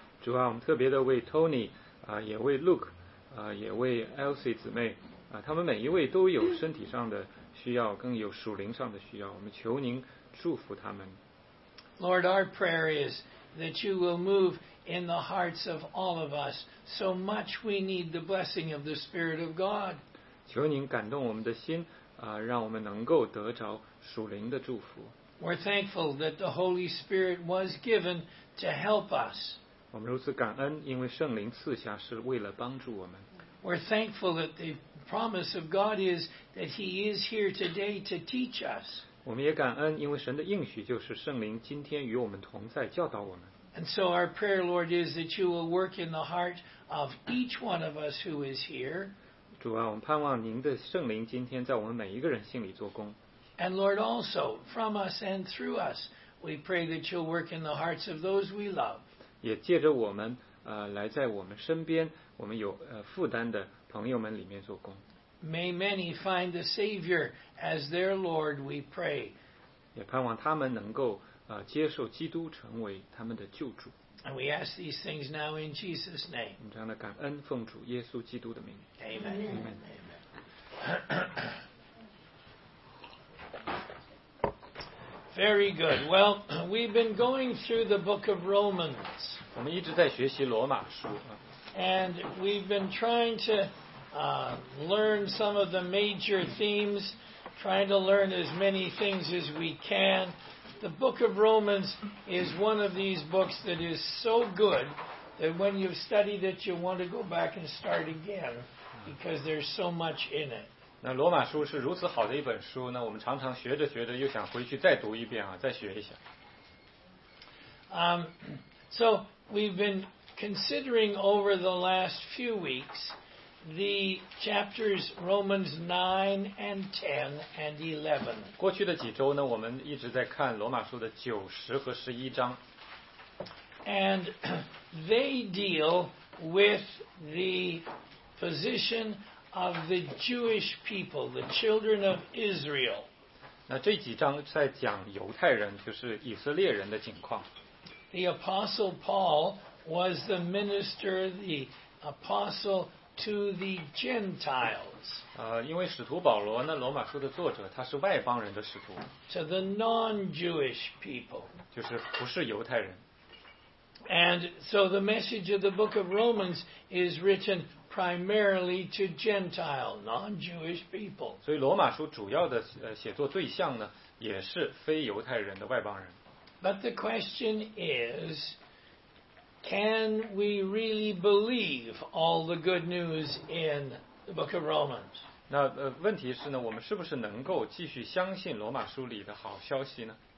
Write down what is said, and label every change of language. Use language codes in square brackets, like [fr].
[zh] 主啊，我们特别的为 Tony 也为 Luke 也为 Elsie 姊妹他们每一位都有身体上的需要，更有属灵上的需要。我们求您祝福他们。 [en] Lord, our prayer is that you will move in the hearts of all of us. So much we need the blessing of the Spirit of God. [zh] 求您感动我们的心让我们能够得着属灵的祝福。 [en] We're thankful that the Holy Spirit was given to help us. [zh] 我们如此感恩，因为圣灵赐下是为了帮助我们。 [en] We're thankful that the promise of God is that He is here today to teach us. [zh] 我们也感恩，因为神的应许就是圣灵今天与我们同在，教导我们。 [en] And so our prayer, Lord, is that you will work in the heart of each one of us who is here. [zh] 主啊，我们盼望您的圣灵今天在我们每一个人心里做工。 [en] And Lord, also from us and through us, we pray that you'll work in the hearts of those we love. [zh] 也借着我们来在我们身边我们有负担的朋友们里面做工。 [en] May many find the Savior as their Lord, we pray. [zh] 也盼望他们能够接受基督成为他们的救主。 [en] And we ask these things now in Jesus' name. [zh] 我们这样的感恩奉主耶稣基督的名。 [en] Amen. Amen. Amen. Very good. Well, we've been going through the book of Romans. [zh] 我们一直在学习罗马书。 [en] And we've been trying to learn some of the major themes, trying to learn as many things as we can. The book of Romans is one of these books that is so good that when you've studied it, you want to go back and start again because there's so much in it. [zh] 那罗马书是如此好的一本书，那我们常常学着学着又想回去再读一遍啊，再学一下。 [en] So we've been considering over the last few weeks the chapters Romans 9 and 10 and 11. [zh] 过去的几周呢，我们一直在看罗马书的九十和十一章。 [en] And they deal with the position of the Jewish people, the children of Israel. [zh] 那这几章在讲犹太人，就是以色列人的情况。 [en] The Apostle Paul was the minister, the apostle to the Gentiles. [zh] 因为使徒保罗呢，罗马书的作者，他是外邦人的使徒。 [en] To the non-Jewish people. [zh] 就是不是犹太人。 [en] And so the message of the book of Romans is written primarily to Gentile, non-Jewish people. [zh] 所以罗马书主要的写作对象呢，也是非犹太人的外邦人。 [en] But the question is, can we really believe all the good news in the book of Romans? [zh] 那问题是呢，我们是不是能够继续相信罗马书里的好消息呢？